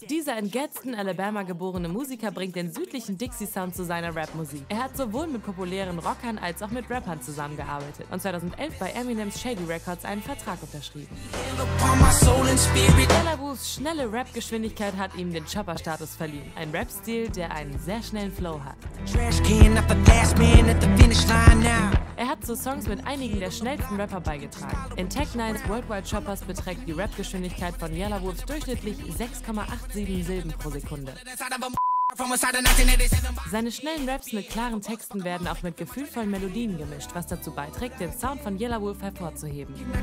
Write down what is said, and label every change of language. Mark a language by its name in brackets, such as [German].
[German] Dieser in Gadsden, Alabama geborene Musiker bringt den südlichen Dixie-Sound zu seiner Rap-Musik. Er hat sowohl mit populären Rockern als auch mit Rappern zusammengearbeitet und 2011 bei Eminems Shady Records einen Vertrag unterschrieben. Yellow Wolfs schnelle Rap-Geschwindigkeit hat ihm den Chopper-Status verliehen. Ein Rap-Stil, der einen sehr schnellen Flow hat. [English] Trashcan up the last man at the finish line now. [German] Er hat zu Songs mit einigen der schnellsten Rapper beigetragen. In Tech Nines Worldwide Choppers beträgt die Rap-Geschwindigkeit von Yellow Wolf durchschnittlich 6,87 Silben pro Sekunde. Seine schnellen Raps mit klaren Texten werden auch mit gefühlvollen Melodien gemischt, was dazu beiträgt, den Sound von Yellow Wolf hervorzuheben.